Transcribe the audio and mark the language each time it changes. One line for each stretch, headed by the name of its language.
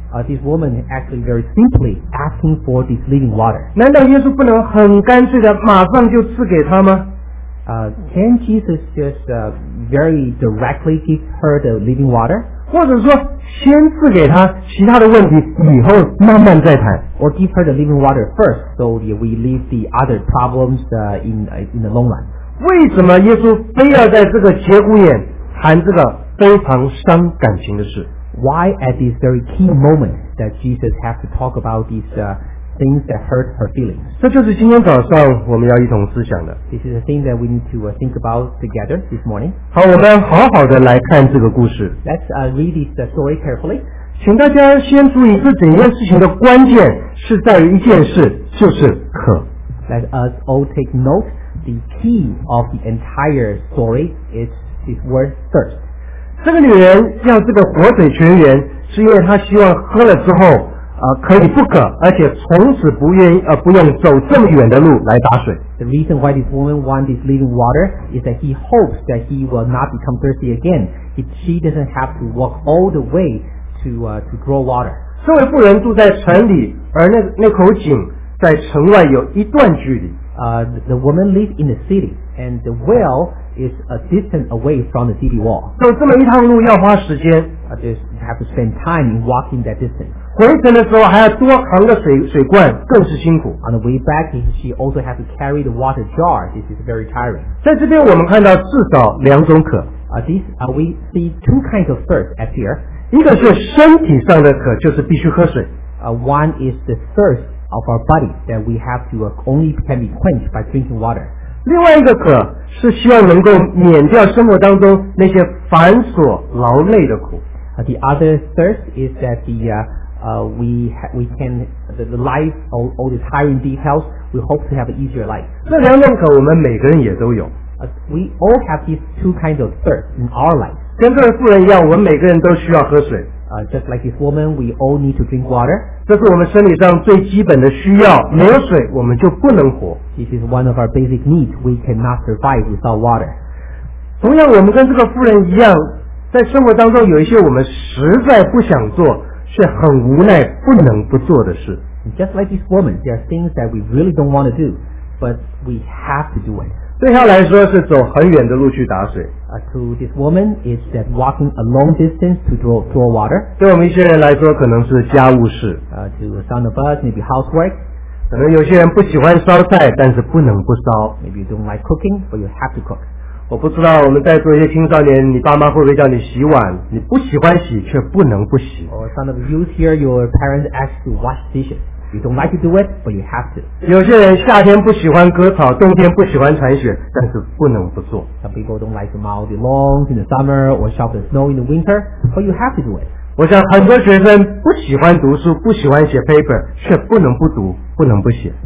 English: This woman actually very simply asking for this living water.
Chinese: 难道耶稣不能很干脆的马上就赐给她吗？
English: Can Jesus just very directly give her the living water?
Chinese: 或者说先赐给她，其他的问题以后慢慢再谈。
English: Or give her the living water first, so we leave the other problems in the long run.
Chinese: 为什么耶稣非要在这个节骨眼谈这个非常伤感情的事？
English: Why at this very key moment that Jesus has to talk about these things that hurt her feelings?
Chinese: 这就是今天早上我们要一同思想的。
English: This is a thing that we need to think about together this morning.
Chinese: 好，我们好好的来看这个故事。
English: Let's read this story carefully.
Chinese: 请大家先注意，这整件事情的关键是在于一件事，就是渴。
English: Let us all take note. The key of the entire story is this word thirst.
Chinese: 这个女人要这个活水泉源，是因为她希望喝了之后，可以不渴，而且从此不愿意不用走这么远的路来打水。
English: The reason why this woman wants this living water is that he hopes that he will not become thirsty again. She doesn't have to walk all the way to draw water.
Chinese: 这位妇人住在城里，而那口井在城外有一段距离。
English: The woman lives in the city, and the well is a distance away from the city wall.
Chinese: 走这么一趟路要花时间。
English: You have to spend time in walking that distance.
Chinese: 回程的时候还要多扛个水罐，更是辛苦。
English: On the way back, she also has to carry the water jar. This is very tiring.
Chinese: 在这边我们看到至少两种渴。
English: We see two kinds of thirst at here.
Chinese: 一个是身体上的渴，就是必须喝水。
English: One is the thirst of our body that we have to only can be quenched by drinking water.
Chinese: 另外一个渴是希望能够免掉生活当中那些繁琐劳累的苦。
English: The other thirst is that the life all these hiring details, we hope to have an easier life.
Chinese: 这两种渴我们每个人也都有。
English: We all have these two kinds of thirst in our life.
Chinese: 跟这位妇人一样，我们每个人都需要喝水。
English: Just like this woman, we all need to drink water.
Chinese: 这是我们身体上最基本的需要，没有水我们就不能活。
English: This is one of our basic needs. We cannot survive without water.
Chinese: 同样，我们跟这个妇人一样，在生活当中有一些我们实在不想做。是很无奈不能不做的事。
English: Just like this woman, there are things that we really don't want to do, but we have to do it.
Chinese: 对她来说是走很远的路去打水。
English: To this woman, it's that walking a long distance to draw water.
Chinese: 对我们一些人来说，可能是家务事。
English: To some of us, maybe housework.
Chinese: 可能有些人不喜欢烧菜，但是不能不烧。
English: Maybe you don't like cooking, but you have to cook.
Chinese: 我不知道我们在座一些青少年，你爸妈会不会叫你洗碗？你不喜欢洗，却不能不洗。
English: Some of you here, your parents ask to wash dishes. You don't like to do it, but you have to.
Chinese: 有些人夏天不喜欢割草，冬天不喜欢铲雪，但是不能不做。
English: Some people don't like to mow the lawns in the summer or shovel the snow in the winter, but you have to do it.
Chinese: 我想很多学生不喜欢读书，不喜欢写 paper, 却不能不读，不能不写。